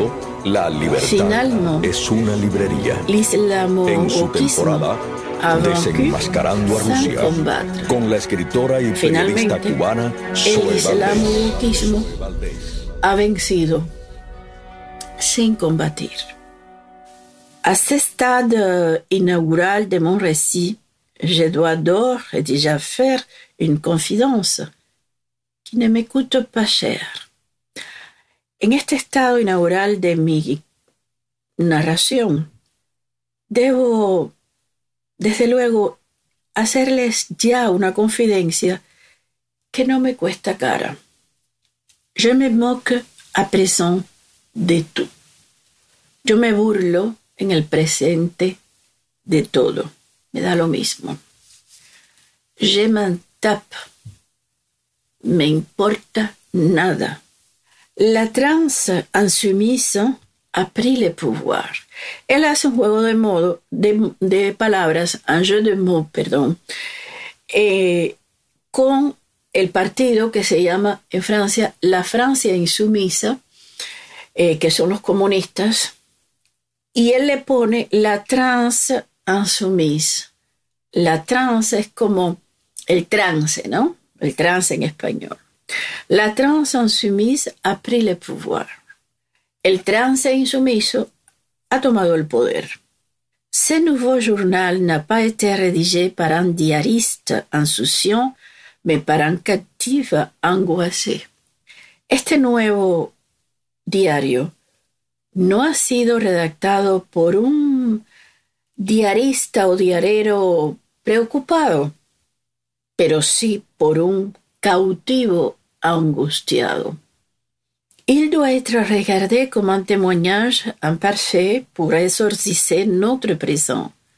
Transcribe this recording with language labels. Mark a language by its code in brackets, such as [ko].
[es] autor. La Libertad es una librería. En su temporada, Desenmascarando a Rusia, con la escritora y periodista cubana Zoe Valdés. Ha vencido sin combatir. [fr] A ce stade inaugural de mon récit, je dois d'ores et déjà faire une confidence qui ne me coûte pas cher. [es] En este estado inaugural de mi narración, debo, desde luego, hacerles ya una confidencia que no me cuesta cara. [fr] Je me moque à présent de tout. [es] Yo me burlo en el presente de todo. Me da lo mismo. [fr] Je m'en tape. [es] Me importa nada. [fr] La transe insoumise a pris le pouvoir. [es] Él hace un juego de modo, de palabras, [fr] un jeu de mots, [es] perdón, con el partido que se llama en Francia la Francia insumisa, que son los comunistas, y él le pone la trans insoumise. La trans es como el trance, ¿no? El trance en español. [fr] La trans insoumise a pris le pouvoir. [es] El trance insoumiso ha tomado el poder. [fr] Ce nouveau journal n'a pas été rédigé par un diariste insouciant, mais par un captif angoissé. [es] Este nuevo diario no ha sido redactado por un diarista o diarero preocupado, pero sí por un cautivo angustiado. [fr] Il doit être regardé comme un témoignage imparfait pour exorciser notre présent.